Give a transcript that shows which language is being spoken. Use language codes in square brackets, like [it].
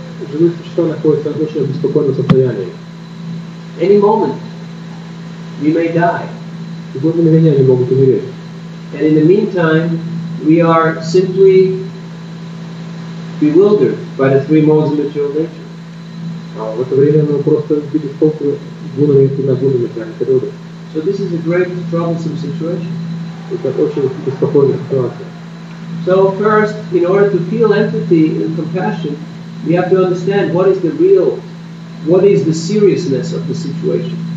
[ru] живые существа находятся в очень обеспокоенном состоянии. [en] Any moment we may die. [ru] В любое мгновение они могут умереть. [en] And in the meantime, we are simply bewildered by the three modes of material nature. [ru] А в это время мы просто видим только гуны и нагуны материальной природы. [en] So this is a great troublesome situation. [ru] Это очень беспокойная ситуация. [en] So first, in order to feel empathy and compassion, we have to understand what is the real, what is the seriousness of the situation.